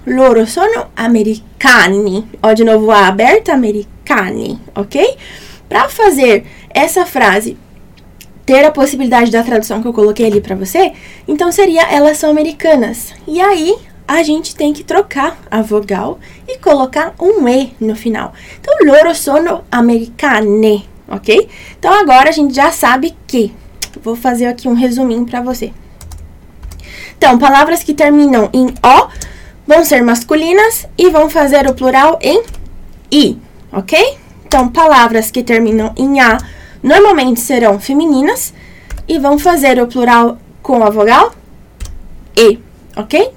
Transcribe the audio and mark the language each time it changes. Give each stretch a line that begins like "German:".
Italian: Loro sono americani.
Portuguese: Ó, de novo, A aberta, americani, ok? Para fazer essa frase ter a possibilidade da tradução que eu coloquei ali para você, então, seria, elas são americanas. E aí... a gente tem que trocar a vogal e colocar um E no final.
Italian: Então, loro sono americane, ok?
Portuguese: Então, agora a gente já sabe que... vou fazer aqui um resuminho pra você. Então, palavras que terminam em O vão ser masculinas e vão fazer o plural em I, ok? Então, palavras que terminam em A normalmente serão femininas e vão fazer o plural com a vogal E. Ok?